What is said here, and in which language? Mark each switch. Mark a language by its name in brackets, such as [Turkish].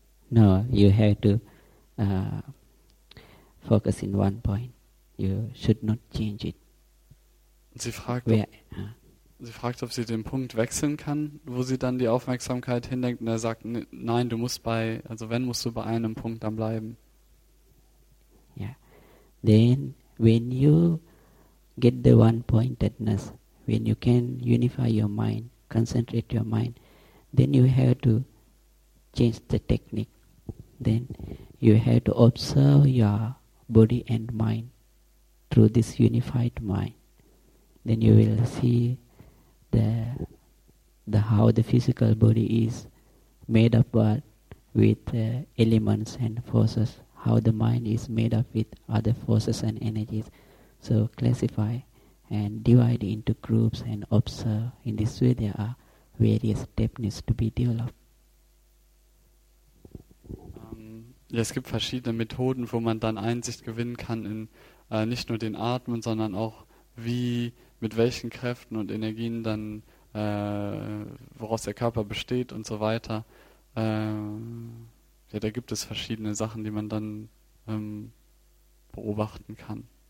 [English] No, you have to focus in one point. You should not change it. [German] Sie fragt, ob sie den Punkt wechseln kann, wo sie dann die Aufmerksamkeit hindenkt, und er sagt, nein, du musst bei, also wenn, musst du bei einem Punkt dann bleiben. [English] Yeah. Then, when you get the one-pointedness, when you can unify your mind, concentrate your mind, then you have to change the technique. Then you have to observe your body and mind through this unified mind. Then you will see the how the physical body is made up with elements and forces, how the mind is made up with other forces and energies. So classify and divide into groups and observe. In this way there are various techniques to be developed. [German] Ja, es gibt verschiedene Methoden, wo man dann Einsicht gewinnen kann in nicht nur den Atmen, sondern auch wie, mit welchen Kräften und Energien dann, woraus der Körper besteht und so weiter. Ja, da gibt es verschiedene Sachen, die man dann beobachten kann.